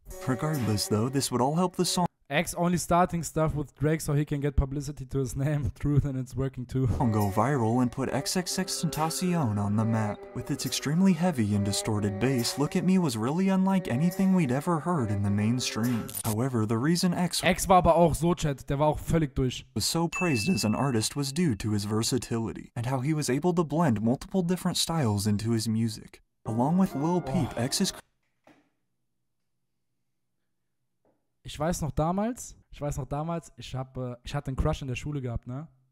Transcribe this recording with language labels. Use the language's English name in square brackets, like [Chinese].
[English] Regardless, though, this would all help the song. X only starting stuff with Drake so he can get publicity to his name. Truth, and it's working too. Go viral and put XXXTentacion on the map. With its extremely heavy and distorted bass, Look At Me was really unlike anything we'd ever heard in the mainstream. However, the reason [German] X war aber auch so, Chat, der war auch völlig durch. [English] Was so praised as an artist was due to his versatility and how he was able to blend multiple different styles into his music. Along with Lil Peep, X is. [German] Ich weiß noch damals, ich hatte einen Crush in der Schule gehabt, ne?